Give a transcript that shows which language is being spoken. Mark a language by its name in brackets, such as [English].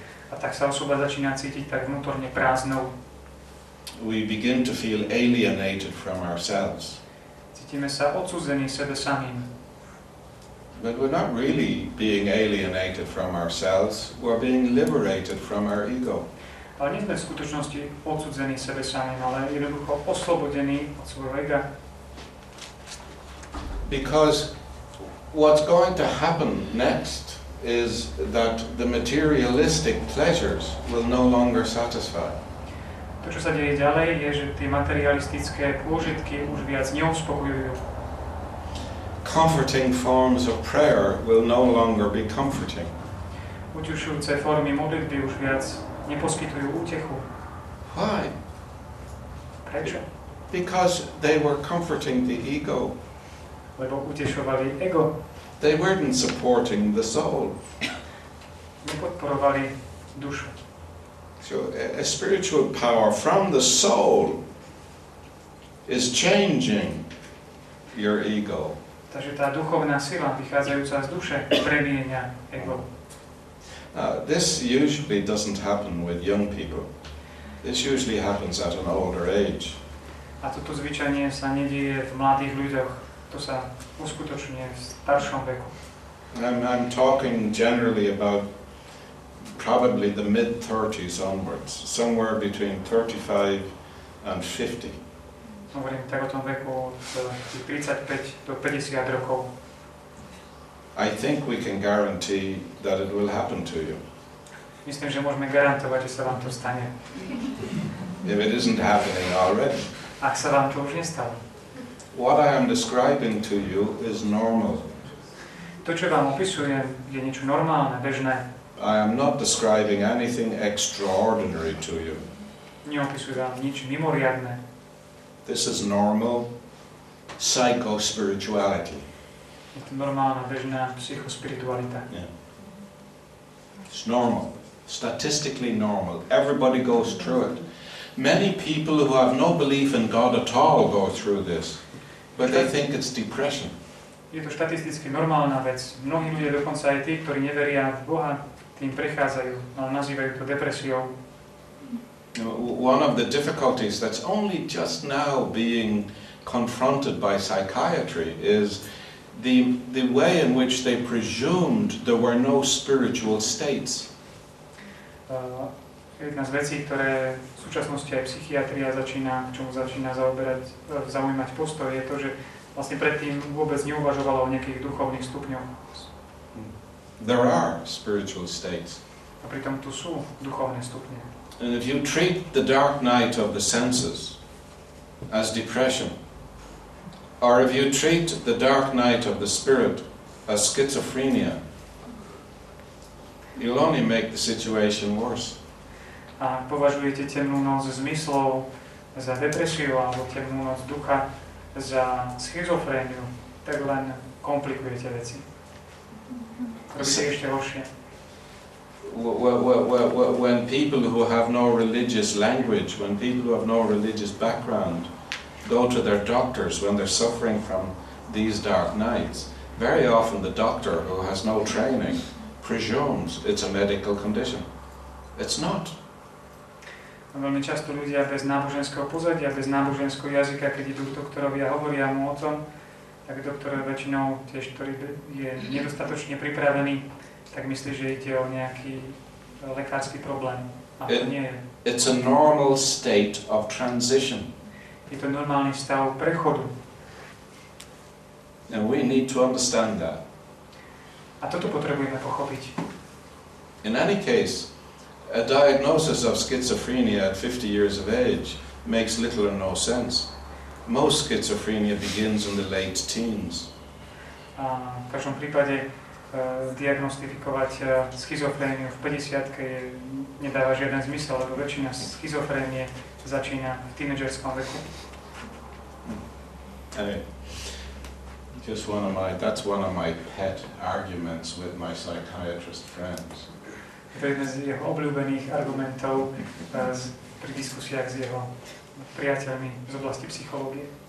[Slovak] A tak sa osoba začína cítiť tak vnútorne prázdnou. [English] We begin to feel alienated from ourselves. [Slovak] Cítime sa odsúdení sebe samým. [English] But we're not really being alienated from ourselves, we're being liberated from our ego. [Slovak] Ale nie sme v skutočnosti odsudzení sebe samým, ale jednoducho oslobodení od svojho ega. [English] Because what's going to happen next is that the materialistic pleasures will no longer satisfy. [Slovak] To, čo sa deje ďalej, je, že tie materialistické pôžitky už viac neuspokojujú. [English] Comforting forms of prayer will no longer be comforting. [Slovak] Utešujúce formy modlitby už viac neposkytujú útechu. [English] Why? [Slovak] Prečo? [English] Because they were comforting the ego. [Slovak] Lebo utešovali ego. [English] They weren't supporting the soul. [Slovak] Nepodporovali dušu. [English] So a spiritual power from the soul is changing your ego. [Slovak] Takže tá duchovná sila vychádzajúca z duše premienia ego. [English] This usually doesn't happen with young people. This usually happens at an older age. [Slovak] A toto zvyčajne sa nedieje v mladých ľuďoch. To sa uskutočňuje v staršom veku. [English] I'm talking generally about probably the mid-30s onwards, somewhere between 35 and 50. [Slovak] Hovorím tak o tom veku z 35 do 50 rokov. [English] I think we can guarantee that it will happen to you. [Slovak] Myslím, že môžeme garantovať, že sa vám to stane. [English] If it isn't happening already. [Slovak] Ak sa vám to už nestalo. [English] What I am describing to you is normal. [Slovak] To, čo vám opisujem, je niečo normálne, bežné. [English] I am not describing anything extraordinary to you. [Slovak] Neopisujem vám nič mimoriadne. [English] This is normal psycho-spirituality. [Slovak] Je to normálna, bežná psychospiritualita. [English] Yeah. It's normal. Statistically normal. Everybody goes through it. Many people who have no belief in God at all go through this. But they think it's depression. [Slovak] Je to štatisticky normálna vec. Mnohí ľudia, dokonca aj tí, ktorí neveria v Boha, tým prechádzajú, ale nazývajú to depresiou. [English] One of the difficulties that's only just now being confronted by psychiatry is the way in which they presumed there were no spiritual states. [Slovak] Jedna z vecí, ktoré v súčasnosti aj psychiatria začína, k čomu začína zaujímať postoj, je to, že vlastne predtým vôbec neuvažovala o nejakých duchovných stupňoch. [English] There are spiritual states. [Slovak] A pritom tu sú duchovné stupne. [English] And if you treat the dark night of the senses as depression, or if you treat the dark night of the spirit as schizophrenia, you'll only make the situation worse. [Slovak] A považujete temnú noc zmyslov za depresiu alebo temnú noc ducha za schizofréniu, tak len komplikujete veci. Robíte ešte horšie. [English] When people who have no religious language, when people who have no religious background go to their doctors when they're suffering from these dark nights, very often the doctor who has no training presumes it's a medical condition. It's not. [Slovak] Veľmi často ľudia bez náboženského pozadia, bez náboženského jazyka, keď idú k doktorovi a hovoria mu o tom, tak doktor väčšinou tiež, ktorý je nedostatočne pripravený, tak myslí, že ide o nejaký lekársky problém. A to nie je. [English] It's a normal state of transition. [Slovak] Je to normálny stav prechodu. [English] And we need to understand that. [Slovak] A toto potrebujeme pochopiť. [English] In any case, a diagnosis of schizophrenia at 50 years of age makes little or no sense. Most schizophrenia begins in the late teens. [Slovak] A v každom prípade diagnostifikovať schizofréniu v 50-ke nedáva žiaden zmysel, lebo väčšina schizofrénie začína v tínedžerskom veku. [English] Anyway, just one of my, that's one of my pet arguments with my psychiatrist friends. [Slovak] Je to jeden z jeho obľúbených argumentov pri diskusiách s jeho priateľmi z oblasti psychológie.